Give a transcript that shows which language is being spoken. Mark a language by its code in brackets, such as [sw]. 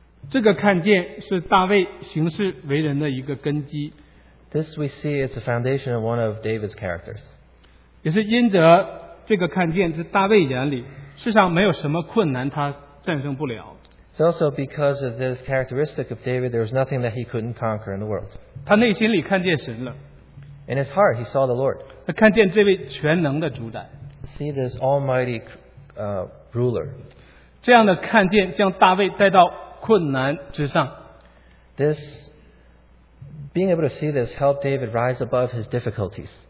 [zh] 这个看见是大卫行事为人的一个根基。 [en] This we see is the foundation of one of David's characters. [zh] 也是因着这个看见是大卫眼里，世上没有什么困难他战胜不了。 [en] It's also because of this characteristic of David, there was nothing that he couldn't conquer in the world. [zh] 他内心里看见神了。 [en] In his heart, he saw the Lord. [zh] 他看见这位全能的主宰。 [en] See this almighty ruler. [zh] 这样的看见将大卫带到 [en] This being able to see this helped David rise above his difficulties.